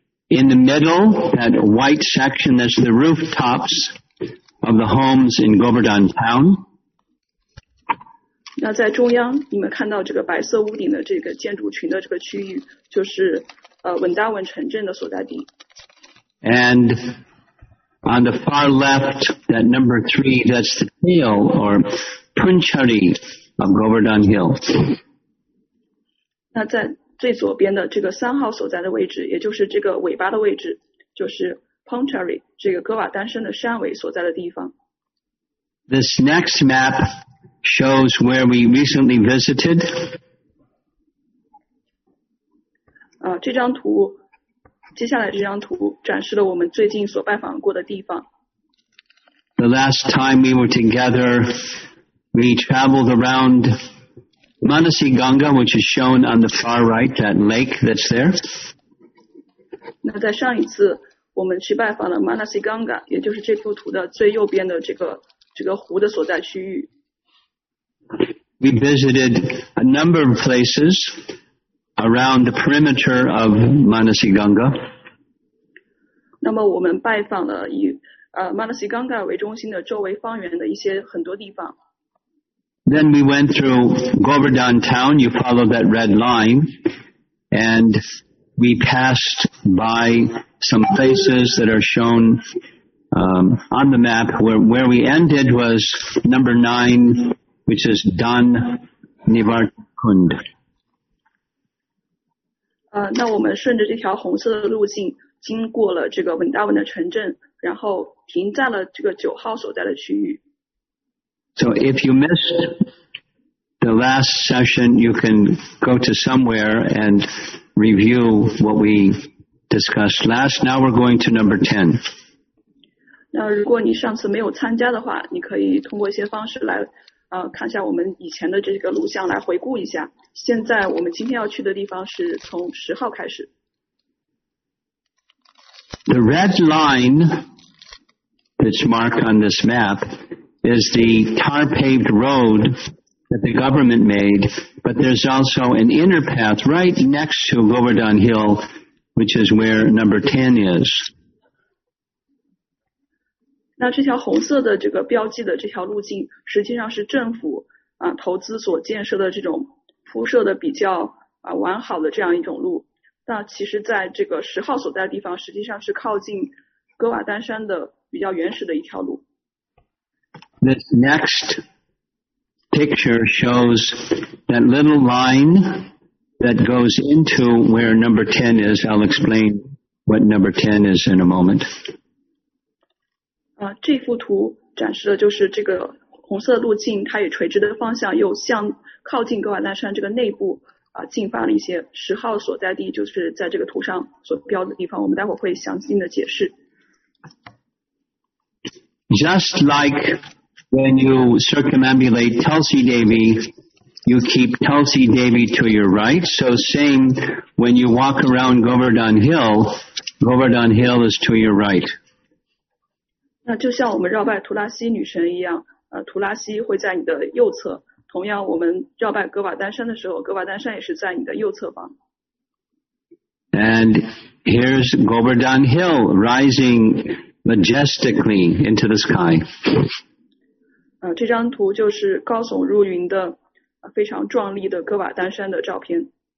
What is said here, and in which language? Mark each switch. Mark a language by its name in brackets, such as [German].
[English] In the middle, that white section, that's the rooftops of the homes in Govardhan Town. [Chinese] 那在中央,你们看到这个白色屋顶的这个建筑群的这个区域,就是 文达文城镇的所在地。 [English] And on the far left, that number three, that's the tail or punchari of Govardhan Hill. [Chinese] 那在,最左边的这个三号所在的位置，也就是这个尾巴的位置，就是 Pondicherry 这个哥瓦丹山的山尾所在的地方。 [English] This next map shows where we recently visited. [Chinese] 这张图，接下来这张图展示了我们最近所拜访过的地方。 [English] The last time we were together, we traveled around Manasi Ganga, which is shown on the far right, that lake that's there. [Chinese] 那在上一次我们去拜访了 Manasi Ganga, 也就是这幅图的最右边的这个湖的所在区域。 [English] We visited a number of places around the perimeter of Manasi Ganga. [Chinese] 那么我们拜访了以Manasi Ganga 为中心的周围方圆的一些很多地方。 [English] Then we went through Govardhan Town, you follow that red line, and we passed by some places that are shown on the map. Where we ended was number 9, which is Dan Nivarkund. [Chinese] 那我们顺着这条红色的路径经过了这个文达文的城镇，然后停在了这个九号所在的区域。 [English] So if you missed the last session, you can go to somewhere and review what we discussed last. Now we're going to number 10. [Chinese] 那如果你上次没有参加的话，你可以通过一些方式来看一下我们以前的这个录像，来回顾一下。现在我们今天要去的地方是从十号开始。 [English] The red line that's marked on this map is the tar-paved road that the government made, but there's also an inner path right next to Govardhan Hill, which is where number 10 is. [Chinese] 那这条红色的这个标记的这条路径实际上是政府投资所建设的这种铺设的比较完好的这样一种路。那其实在这个十号所在的地方实际上是靠近哥瓦丹山的比较原始的一条路。 [English] This next picture shows that little line that goes into where number 10 is. I'll explain what number 10 is in a moment. [Chinese] 这幅图展示的就是这个红色路径，它以垂直的方向又向靠近哥瓦丹山这个内部进发了一些，十号所在地就是在这个图上所标的地方，我们待会会详细的解释。 [English] Just like when you circumambulate Tulsi Devi, you keep Tulsi Devi to your right. So same when you walk around Govardhan Hill, Govardhan Hill is to your right. [Chinese] 那就像我们绕拜图拉西女神一样，图拉西会在你的右侧。同样我们绕拜哥瓦丹山的时候，哥瓦丹山也是在你的右侧方。 [English] And here's Govardhan Hill rising majestically into the sky. [Chinese] 这张图就是高耸入云的非常壮丽的哥瓦丹山的照片。